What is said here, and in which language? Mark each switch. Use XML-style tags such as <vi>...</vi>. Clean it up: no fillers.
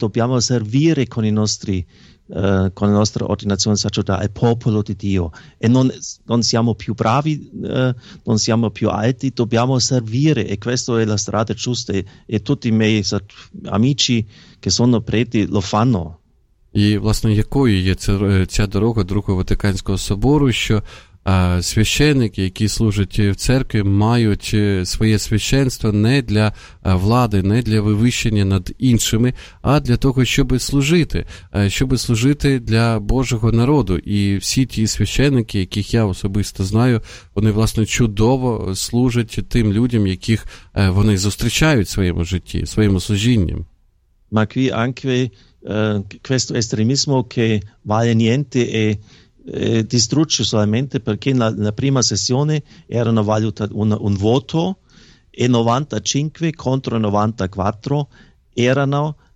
<it>Dobbiamo servire con i nostri con la nostra ordinazione sacerdotale al popolo di Dio e non siamo più bravi, non siamo più alti, dobbiamo servire e questa è la strada giusta e tutti i miei amici che sono preti lo fanno.</it> <uk>І, власне, якою є ця дорога Другого Ватиканського собору, що священники, які служать в церкві, мають своє священство не для влади, не для вивищення над іншими, а для того, щоб служити для Божого народу. І всі ті священники, яких я особисто знаю, вони, власне, чудово служать тим людям, яких вони зустрічають в своєму житті, в своєму служінні.</uk> <it>Ma qui anche questo estremismo che vale niente e distrugge solamente perché la prima sessione era una valuta un voto e 95 contro 94 erano</it>